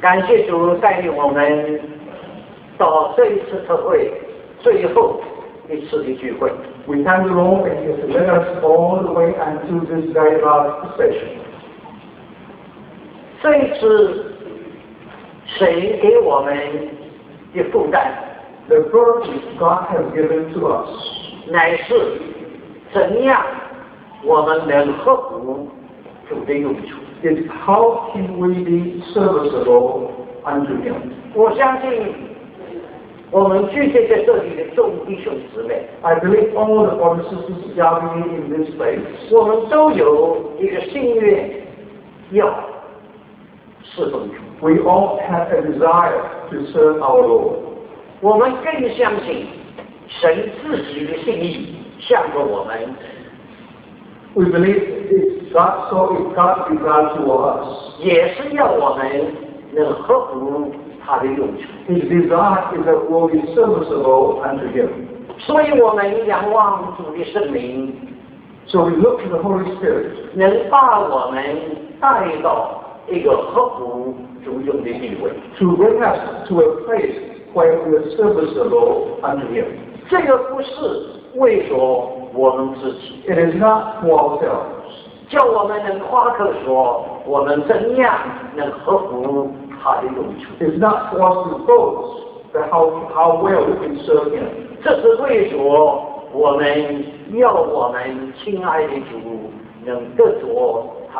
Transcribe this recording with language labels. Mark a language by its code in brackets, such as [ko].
[zh] 感谢主带领我们到这一次特会最后一次的聚会。 [en] We thank the Lord and He has led us all the way until this very last session. [zh] 这一次谁给我们的负担 [en] The burden God has given to us [zh] 乃是怎样我们能合乎主的用处 [en] is how can we be serviceable unto Him [zh] 我相信我们聚集在这里的众弟兄姊妹 [en] I believe all the brothers and sisters gathering in this place [zh] 我们都有一个心愿要侍奉主 [en] We all have a desire to serve our Lord. [zh] 我们更相信神自己的心意向着我们。 [en] We believe it's God's sovereign God's desire to us. [zh] 也是要我们能合乎他的用处。 [en] His desire is that we'll be serviceable unto Him. [zh] 所以我们仰望主的圣灵。 [en] So we look to the Holy Spirit. [zh] 能把我们带到一个合乎主用的地位 [en] to bring us to a place where we are serviceable unto Him. [zh] 这个不是为着我们自己 [en] It is not for ourselves. [zh] 叫我们能夸口说我们怎样能合乎他的用处 [en] It is not for us to boast how well we can serve Him. [zh] 这是为着我们要我们亲爱的主能得着